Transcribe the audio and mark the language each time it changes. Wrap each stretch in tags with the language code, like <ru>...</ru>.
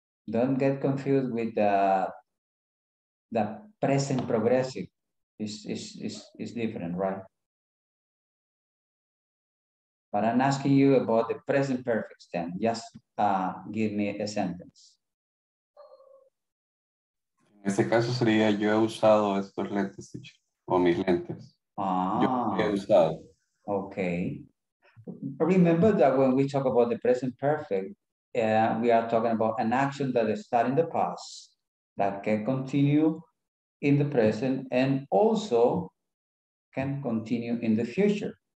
<en>Don't get confused with the present progressive. It's different, right? But I'm asking you about the present perfect then. Just give me a sentence.</en> <es>En este caso sería, yo he usado estos lentes, o mis lentes. Yo he usado.</es> <en>Okay. Remember that when we talk about the present perfect, we are talking about an action that is starting in the past, that can continue in the present, and also can continue in the future.</en>